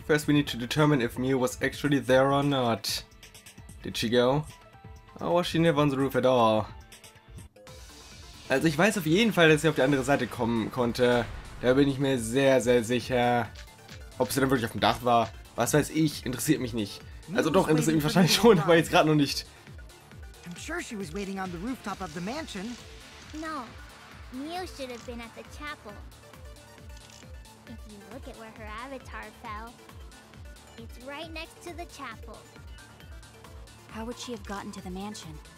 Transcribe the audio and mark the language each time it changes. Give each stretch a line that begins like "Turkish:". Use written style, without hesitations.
English: First we need to determine if Mew was actually there or not. Did she go? Or was she never on the roof at all?
German: Also ich weiß auf jeden Fall, dass sie auf die andere Seite kommen konnte. Da bin ich mir sehr, sehr sicher. Ob sie dann wirklich auf dem Dach war, was weiß ich, interessiert mich nicht. Also doch, interessiert mich wahrscheinlich schon, aber jetzt gerade noch nicht.
English: I'm sure she was waiting on the rooftop of the mansion. No, Mew should have been at the chapel. If you look at where her avatar fell, it's right next to the chapel. How would she have gotten to the mansion?